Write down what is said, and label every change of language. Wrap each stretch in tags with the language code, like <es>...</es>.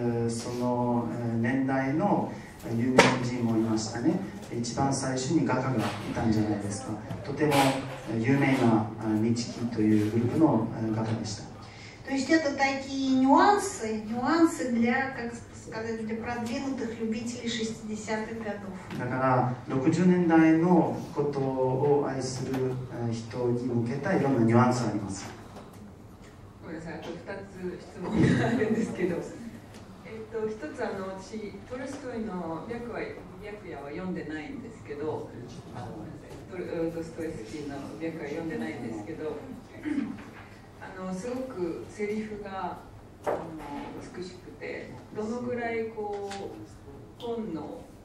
<ja>その年代の有名人もいましたね。一番最初に画家がいたんじゃないですか。とても有名なミチキというグループの画家でした。</ja> <ru>То есть это такие нюансы для, как сказать, для продвинутых любителей 60-х годов.</ru> <ja>だから60年代のことを愛する人に向けたいろんなニュアンスあります。ごめんなさい、あと2つ質問があるんですけど、一つ、私トルストイの白夜は読んでないんですけど、ドストエフスキーの白夜は読んでないんですけど、すごくセリフが美しくて、どのぐらいこう本の、</ja>